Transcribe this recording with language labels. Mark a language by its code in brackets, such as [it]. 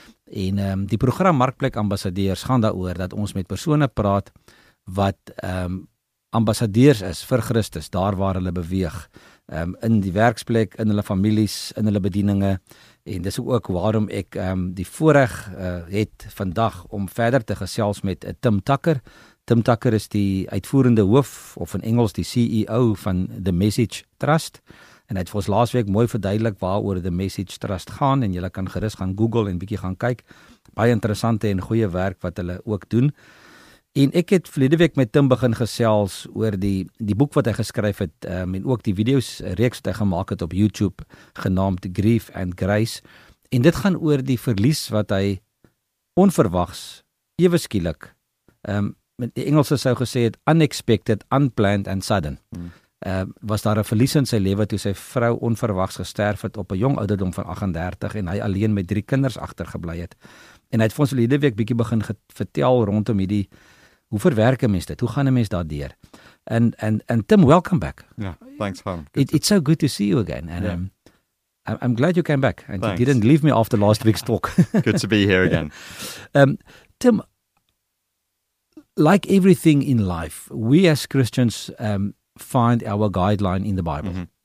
[af] En die program Markplek Ambassadeurs gaan daaroor dat ons met persone praat wat ambassadeurs is vir Christus, daar waar hulle beweeg, in die werksplek, in hulle families, in hulle bedieninge. En dis ook waarom ek die voorreg het vandag om verder te gesels met Tim Tucker. Tim Tucker is die uitvoerende hoof, of in Engels die CEO van The Message Trust. En hy het vir ons laasweek mooi verduidelik waaroor The Message Trust gaan, en julle kan gerus gaan Google en bietjie gaan kyk. Baie interessante en goeie werk wat hulle ook doen. En ek het verlede week met Tim begin gesels oor die boek wat hy geskryf het, en ook die video's reeks wat hy gemaak het op YouTube, genaamd Grief and Grace. En dit gaan oor die verlies wat hy onverwags, ewe skielik, met die Engelse sou gesê het, unexpected, unplanned and sudden. Was daar 'n verlies in sy lewe toe sy vrou onverwags gesterf het op 'n jong ouderdom van 38 en hy alleen met 3 kinders agtergebly het. En hy het vir ons verlede week bietjie begin vertel rondom hierdie, hoe verwerk 'n mens dit? Hoe gaan 'n mens daardeur? [en] And Tim, welcome back. Yeah, thanks, Tom. It's so good to see you again. And yeah. I'm glad you came back. And thanks. You didn't leave me after last week's talk. Good to be here again. Tim, like everything in life, we as Christians find our guideline in the Bible. Mm-hmm.